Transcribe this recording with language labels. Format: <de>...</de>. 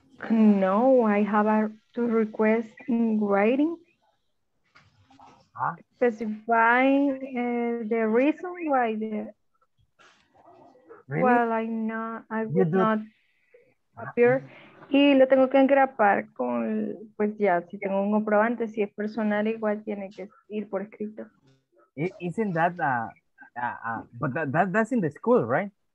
<en>No, I have to request in writing, specifying the reason why the appear.</en> <es>Y lo tengo que engrapar con, pues ya, si tengo un comprobante, si es personal, igual tiene que ir por escrito.</es> <en>Isn't that but that's in the school, right?</en>